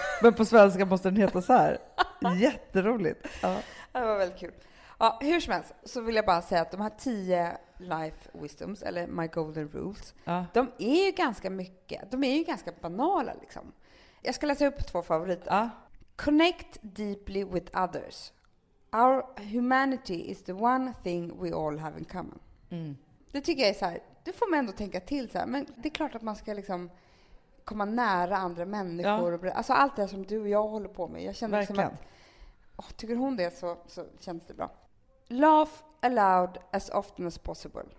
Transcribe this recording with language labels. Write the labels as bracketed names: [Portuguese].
[Swedish] Men på svenska måste den heta så här. Jätteroligt. Ja. Det var väldigt kul. Ja, hur som helst så vill jag bara säga att de här 10 [English] life wisdoms, [Swedish] eller [English] my golden rules, [Swedish] ja, de är ju ganska mycket, de är ju ganska banala liksom. Jag ska läsa upp 2 favoriter. Ja. [English] Connect deeply with others. Our humanity is the one thing we all have in common. [Swedish] Mm. Det tycker jag är så här, det får man ändå tänka till så här, men det är klart att man ska liksom komma nära andra människor. Ja. Och alltså allt det som du och jag håller på med, jag känner liksom att tycker hon det så känns det bra. [English] Laugh aloud as often as possible.